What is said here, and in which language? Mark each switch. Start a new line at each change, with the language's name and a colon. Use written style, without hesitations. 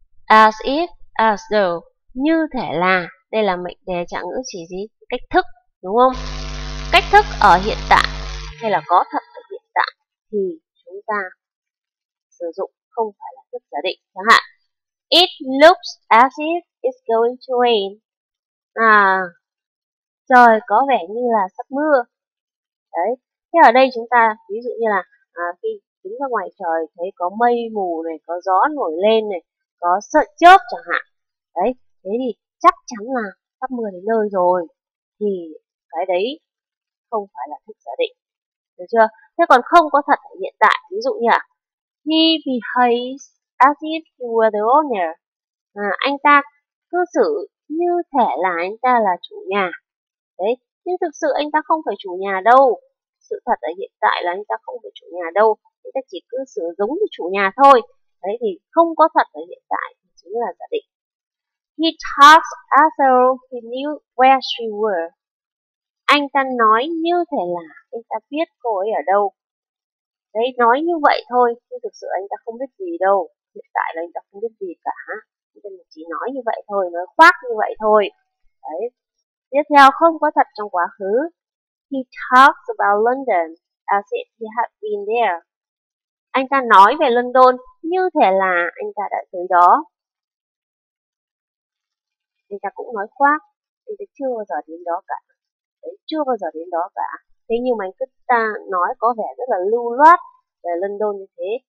English: As if, as though,
Vietnamese: như thể là. Đây là mệnh đề trạng ngữ chỉ gì? Cách thức, đúng không? Cách thức ở hiện tại hay là có thật ở hiện tại thì chúng ta sử dụng không phải là thức giả định. Chẳng hạn,
English: it looks as if it's going to rain.
Vietnamese: Trời có vẻ như là sắp mưa. Đấy. Thế ở đây chúng ta ví dụ như là khi đứng ra ngoài trời thấy có mây mù này, có gió nổi lên này, có sợi chớp chẳng hạn. Đấy, thế thì chắc chắn là sắp mưa đến nơi rồi, thì cái đấy không phải là thức giả định, được chưa? Thế còn không có thật ở hiện tại, ví dụ như là
English: he behaves as if he were the owner.
Vietnamese: Anh ta cư xử như thể là anh ta là chủ nhà. Đấy, nhưng thực sự anh ta không phải chủ nhà đâu. Sự thật ở hiện tại là anh ta không phải chủ nhà đâu, anh ta chỉ cư xử giống như chủ nhà thôi. Đấy, thì không có thật ở hiện tại thì chính là giả định.
English: He talks as though he knew where she were.
Vietnamese: Anh ta nói như thể là anh ta biết cô ấy ở đâu. Đấy, nói như vậy thôi, nhưng thực sự anh ta không biết gì đâu. Hiện tại là anh ta không biết gì cả. Anh ta chỉ nói như vậy thôi, nói khoác như vậy thôi. Đấy. Tiếp theo, không có thật trong quá khứ.
English: He talks about London as if he had been there.
Vietnamese: Anh ta nói về London như thể là anh ta đã tới đó. Anh ta cũng nói khoác, anh ta chưa bao giờ đến đó cả. Đấy, chưa bao giờ đến đó cả. Thế nhưng mà anh cứ ta nói có vẻ rất là lưu loát về London như thế.